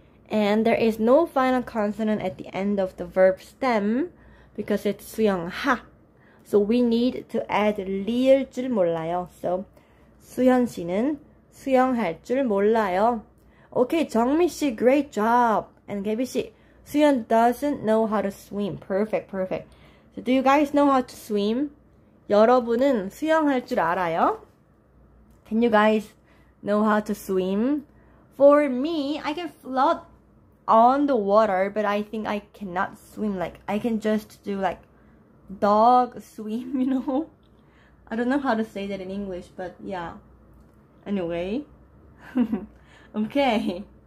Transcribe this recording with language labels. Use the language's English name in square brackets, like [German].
[English] And there is no final consonant at the end of the verb stem because it's 수영하. So, we need to add [Korean] 리일 줄 몰라요. So, 수현 씨는 수영할 줄 몰라요. [English] Okay, 정미 씨, great job. And Gabby 씨, 수연 doesn't know how to swim. Perfect, perfect. So do you guys know how to swim? [Korean] 여러분은 수영할 줄 알아요? [English] Can you guys know how to swim? For me, I can float on the water, but I think I cannot swim. Like, I can just do, like, dog swim, you know? I don't know how to say that in English, but yeah. Anyway. Okay.